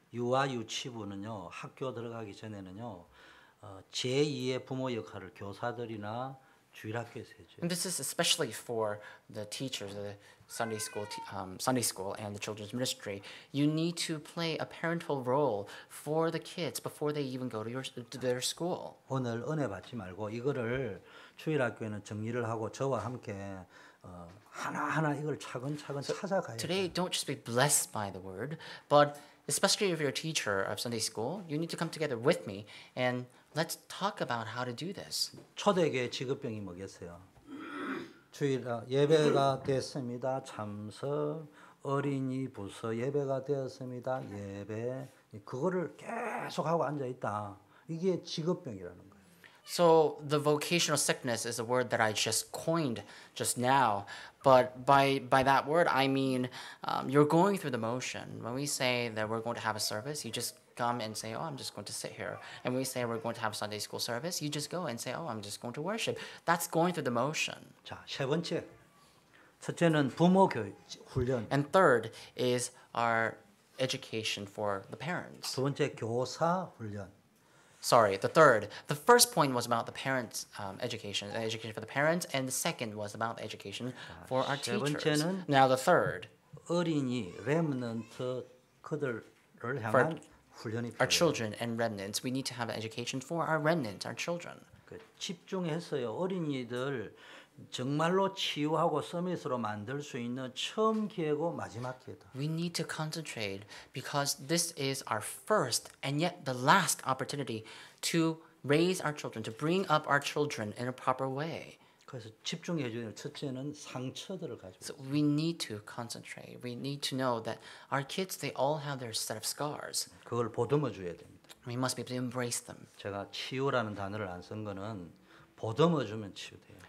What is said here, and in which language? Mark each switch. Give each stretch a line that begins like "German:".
Korean: 유아 유치부는요. 학교 들어가기 전에는요. 제2의 부모 역할을 교사들이나 주일학교에서 해 줘요.
English: And this is especially for the teachers the Sunday school Sunday school and the children's ministry. You need to play a parental role for the kids before they even go to their school.
Korean: 오늘 은혜 받지 말고 이거를 주일학교에는 정리를 하고 저와 함께 하나하나 이걸 차근차근
English: so
Korean: 찾아가야
English: Today,
Korean: 돼요.
English: Don't just be blessed by the word, but especially if you're a teacher of Sunday school, you need to come together with me and let's talk about how to do this.
Korean: 초대교회 직업병이 뭐겠어요? 주일 예배가 됐습니다. 참석 어린이 부서 예배가 되었습니다. 예배 그거를 계속 하고 앉아 있다. 이게 직업병이라는 거예요.
English: So the vocational sickness is a word that I just coined just now. But by that word, I mean you're going through the motion. When we say that we're going to have a service, you just come and say, oh, I'm just going to sit here. And when we say we're going to have a Sunday school service, you just go and say, oh, I'm just going to worship. That's going through the motion.
Korean: 자, 세 번째, 첫째는 부모 교육 훈련.
English: And third is our education for the parents.
Korean: 두 번째 교사 훈련.
English: Sorry, the third. The first point was about the parents' education for the parents, and the second was about education for our teachers. Now the third.
Korean: 어린이 remnant 그들을 향한 훈련이 필요.
English: Our children and remnants. We need to have education for our remnants, our children.
Korean: 집중했어요. 어린이들 정말로 치유하고 서밋으로 만들 수 있는 처음 기회고 마지막 기회다.
English: We need to concentrate because this is our first and yet the last opportunity to raise our children, to bring up our children in a proper way.
Korean: 그래서 집중해 줘야 될 첫째는 상처들을 가지고.
English: So we need to concentrate. We need to know that our kids, they all have their set of scars.
Korean: 그걸 보듬어 줘야 됩니다.
English: We must be able to embrace them.
Korean: 제가 치유라는 단어를 안 쓴 거는 보듬어 주면 치유돼요.